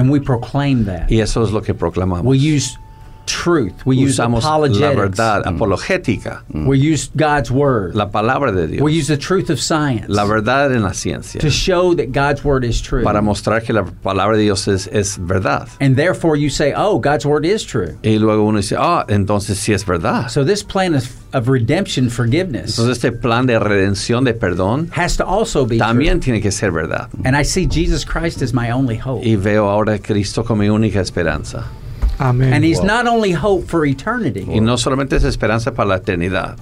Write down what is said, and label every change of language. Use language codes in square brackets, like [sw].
[en] And we proclaim that. [es] Y eso es lo que proclamamos. [en] We use truth. We use apologetics. [es] La verdad apologética. [en] We use God's word. [es] La palabra de Dios. [en] We use the truth of science. [es] La verdad en la ciencia. [en] To show that God's word is true. [es] Para mostrar que la palabra de Dios es verdad. [en] And therefore you say, oh, God's word is true. [es] Y luego uno dice, ah, entonces sí es verdad. [en] So this plan is of redemption, forgiveness. [es] Entonces este plan de redención, de perdón, [en] has to also be [es] también [en] true. [es] Tiene que ser verdad. [en] And I see Jesus Christ as my only hope. [es] Y veo ahora a Cristo como mi única esperanza. [en] Amen. And he's not only hope for eternity. [es] Y no solamente es esperanza para la eternidad.